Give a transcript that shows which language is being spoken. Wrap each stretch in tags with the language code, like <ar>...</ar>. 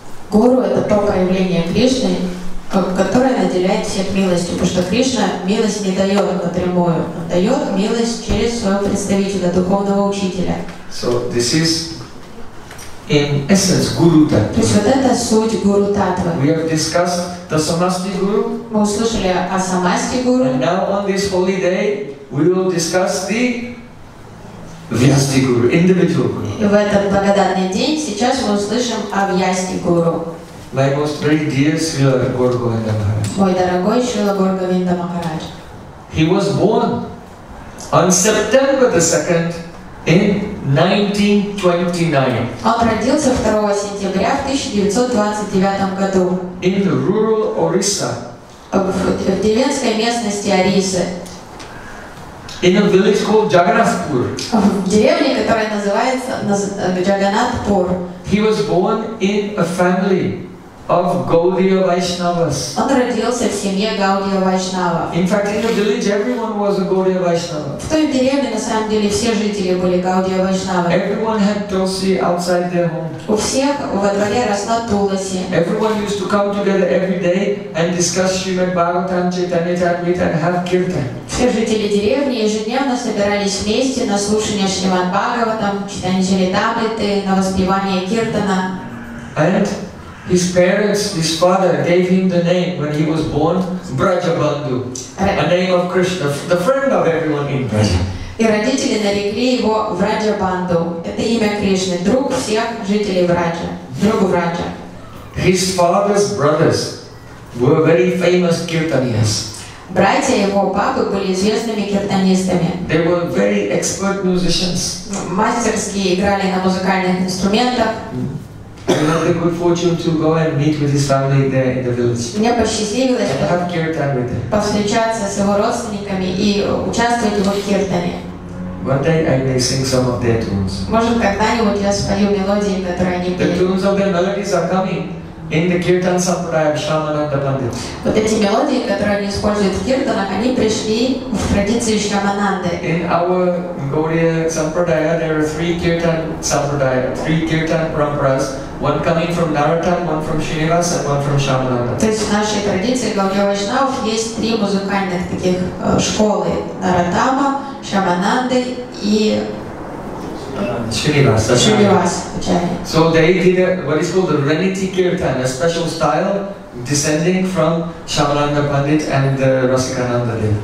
<ru>Гуру – это то проявление Кришны, которое наделяет всех милостью, потому что Кришна милость не дает напрямую, он дает милость через своего представителя, духовного учителя.</ru> <en>So this is in essence, Guru Tattva.</en> <ru>То есть вот это суть Гуру Таттвы.</ru> <en>We have discussed the Samasti Guru.</en> <ru>Мы услышали о Самасти Гуру.</ru> <en>And now on this holy day, we will discuss the Vyasti Guru, individual Guru.</en> <ru>И в этот благодатный день сейчас мы услышим о Vyasti Guru.</ru> <en>My most very dear Srila Govinda Maharaj.</en> <ru>Мой дорогой Srila Govinda Maharaj.</ru> <en>He was born on September the 2nd in 1929.</en> <ru>Он родился 2 сентября в 1929 году.</ru> <en>In the rural Orissa.</en> <ru>В деревенской местности Орисы.</ru> <en>In a village called Jagannathpur.</en> <ru>В деревне, которая называется Джаганатпур.</ru> <en>He was born in a family of Gaudiya Vaishnavas.</en> <ru>Он родился в семье Гаудия Вайшнава.</ru> <en>In fact, in the village, everyone was a Gaudiya Vaishnava.</en> <ru>В той деревне на самом деле все жители были Гаудия Вайшнава.</ru> <en>Everyone had tulsi outside their home.</en> <ru>У всех во дворе росла туласи.</ru> <en>Everyone used to come together every day and discuss Srimad Bhagavatam, Chaitanya Charita, and have kirtan.</en> <ru>Все жители деревни ежедневно собирались вместе на слушание Шримад Бхагаватам, читание Чаритамриты, на воспевание киртана.</ru> <en>And his parents, his father, gave him the name when he was born, Brajabandhu, a name of Krishna, the friend of everyone in Braj.</en> <ru>И родители нарекли его Враджабанду. Это имя Кришны, друг всех жителей Враджа, друг Враджа.</ru> <en>His father's brothers were very famous kirtaniyas.</en> <ru>Братья его папы были известными киртанистами.</ru> <en>They were very expert musicians.</en> <ru>Мастерски играли на музыкальных инструментах.</ru> <en>I had the good fortune to go and meet with his family there in the village.</en> <ru>Мне посчастливилось</ru> <en>and have kirtan with them.</en> <ru>Повстречаться с его родственниками и участвовать в киртане.</ru> <en>One day I may sing some of their tunes.</en> <ru>Может, когда-нибудь я спою мелодии, которые они пели.</ru> <en>The tunes of their melodies are coming in the kirtan sampradaya of Shamananda Pandit.</en> <ru>Вот эти мелодии, которые они используют в киртанах, они пришли в традиции Шамананды.</ru> <en>In our Gaudiya sampradaya, there are three kirtan sampradaya, three kirtan paramparas, one coming from Narottam, one from Srinivas, and one from Shamananda.</en> <ru>То есть в нашей традиции Гаудия Вайшнав есть три музыкальных таких школы: Нараттама, Шамананды и Srinivas. Srinivas.</ru> <en>So they did a, what is called the Renity Kirtan, a special style descending from Shamananda Pandit and Rasikananda Dev.</en>